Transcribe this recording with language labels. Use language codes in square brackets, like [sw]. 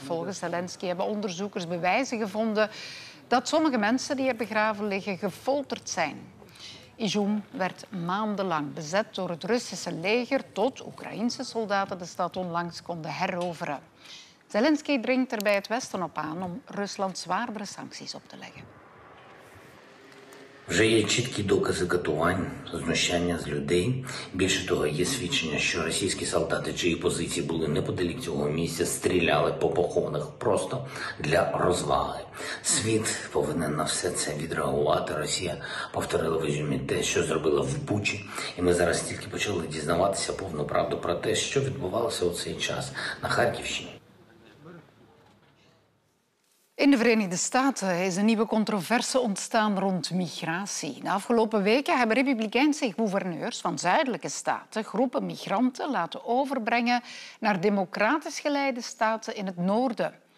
[nl] Volgens Zelensky hebben onderzoekers bewijzen gevonden dat sommige mensen die er begraven liggen gefolterd zijn. Izjum werd maandenlang bezet door het Russische leger tot Oekraïnse soldaten de stad onlangs konden heroveren. Zelensky dringt er bij het Westen op aan om Rusland zwaardere sancties op te leggen. [uk] Вже є чіткі докази катувань, знущання з людей. Більше того, є свідчення, що російські солдати, чиї позиції були неподалік цього місця, стріляли по похованих просто для розваги. Світ повинен на все це відреагувати. Росія повторила в Ізюмі те, що зробила в Бучі. І ми зараз тільки почали дізнаватися повну правду про те, що відбувалося у цей час на Харківщині. [nl] In de Verenigde Staten is een nieuwe controverse ontstaan rond migratie. De afgelopen weken hebben republikeinse gouverneurs van zuidelijke staten groepen migranten laten overbrengen naar democratisch geleide staten in het noorden.